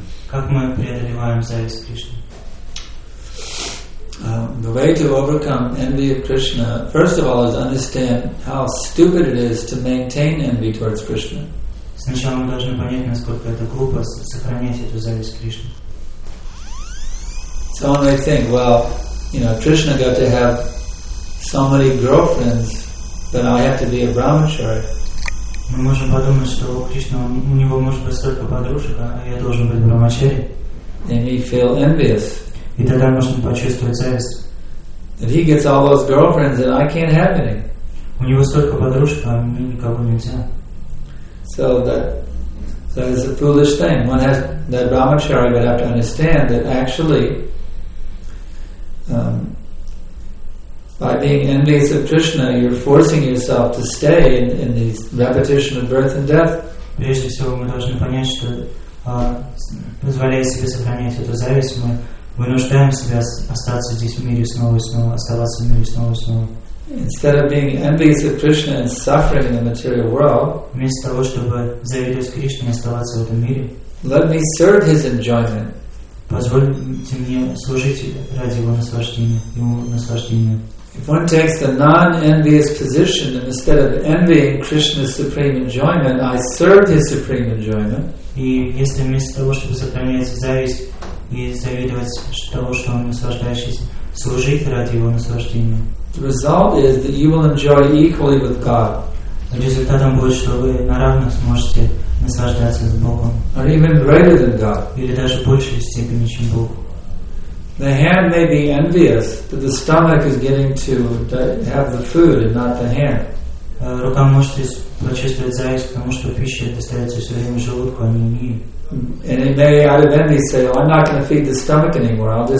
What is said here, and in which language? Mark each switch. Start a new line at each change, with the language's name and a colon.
Russian: Как мы преодолеваем зависть Кришны?
English: The way to overcome envy of Krishna, first of all, is understand how stupid it is to maintain envy towards Krishna.
Russian: Сначала мы должны понять, насколько это глупо сохранять эту зависть к Кришне.
English: Someone may think, well, you know, Krishna got to have so many girlfriends, but I have to be a brahmachari.
Russian: Мы можем подумать, что Кришна, у него может быть столько подружек, а я должен быть брахмачари.
English: They may feel envious.
Russian: И тогда можно почувствовать зависть.
English: If he gets all those girlfriends, then I can't have any.
Russian: У него столько подружек, а мне никого нельзя.
English: So that is a foolish thing. One has that brahmachari would have to understand that actually, by being envious of Krishna, you're forcing yourself to stay in the repetition of birth and death.
Russian: Прежде всего, мы должны понять, что позволяя себе сохранять эту зависть, мы вынуждаем себя остаться здесь в мире снова и снова, оставаться в мире снова и снова.
English: Instead of being envious of Krishna and suffering in the material world,
Russian: вместо того, чтобы завидовать Кришне и оставаться в этом мире,
English: let me serve His enjoyment.
Russian: Позвольте мне служить ради Его наслаждения, Его наслаждения.
English: If one takes the non-envious position, and instead of envying Krishna's supreme enjoyment, I serve His supreme enjoyment.
Russian: И если вместо того, чтобы сохранять зависть и завидовать того, что он наслаждающийся, служить ради его наслаждения.
English: The result is that you will enjoy equally with God.
Russian: Результатом будет, что вы на равных сможете наслаждаться с Богом.
English: Or even greater than God.
Russian: Или даже большей степени, чем Бог.
English: The hand may be envious that the stomach is getting to have the food and not the hand.
Russian: Рука может почувствовать зависть, потому что пища достается все время желудку, а не ей.
English: And it may out of envy say, oh, I'm not going to feed the stomach anymore.